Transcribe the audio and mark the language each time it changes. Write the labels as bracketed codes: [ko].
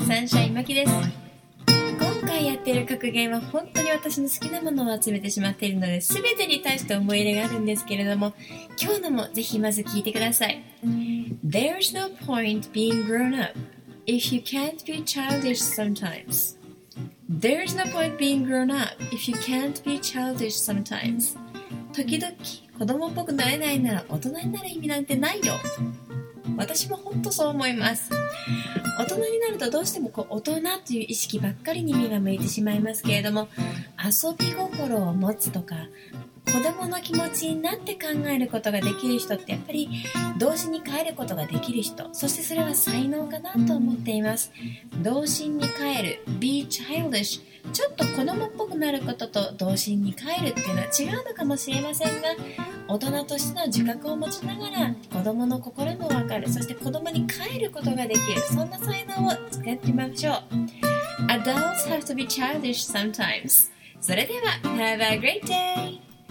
[ja] サンシャインマキです。今回やっている格言は本当に私の好きなものを集めてしまっているので全てに対して思い入れがあるんですけれども、今日のもぜひまず聞いてください。 [en] There's no point being grown up if you can't be childish sometimes. There's no point being grown up if you can't be childish sometimes. [ja] 時々子供っぽくなれないなら大人になる意味なんてないよ。私も本当そう思います。大人になるとどうしてもこう大人という意識ばっかりに目が向いてしまいますけれども、遊び心を持つとか子供の気持ちになって考えることができる人って、やっぱり童心に帰ることができる人、そしてそれは才能かなと思っています。童心に帰る、 [en] be childish、 [ja] ちょっと子供っぽくなることと童心に帰るっていうのは違うのかもしれませんが、大人としての自覚を持ちながら子供の心も分かる、そして子供に帰ることができる、そんな才能を作ってみましょう。 [en] Adults have to be childish sometimes. [ja] それでは [en] Have a great day!